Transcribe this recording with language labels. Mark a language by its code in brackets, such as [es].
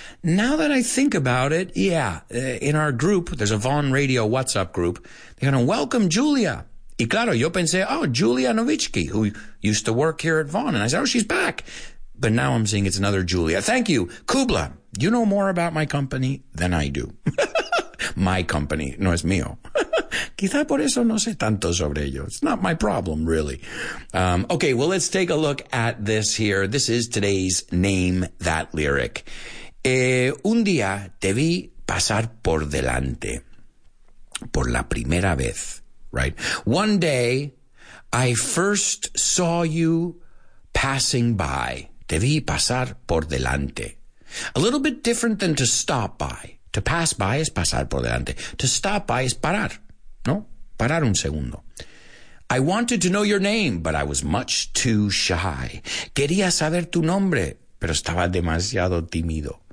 [en] Now that I think about it, yeah, in our group, there's a Vaughn Radio WhatsApp group. They're going to welcome Julia. [es] Y claro, yo pensé, [en] oh, Julia Novitsky, who used to work here at Vaughn. And I said, oh, she's back. But now I'm seeing it's another Julia. Thank you. Kubla, you know more about my company than I do. My company, [es] no es mío. Quizá por eso no sé tanto sobre ello. [en] It's not my problem, really. Okay, well, let's take a look at this here. This is today's Name That Lyric. [es] Un día te vi pasar por delante, por la primera vez, right? [en] One day, I first saw you passing by. [es] Te vi pasar por delante. [en] A little bit different than to stop by. To pass by is [es] pasar por delante. [en] To stop by is [es] parar, ¿no? Parar un segundo. [en] I wanted to know your name, but I was much too shy. [es] Quería saber tu nombre, pero estaba demasiado tímido.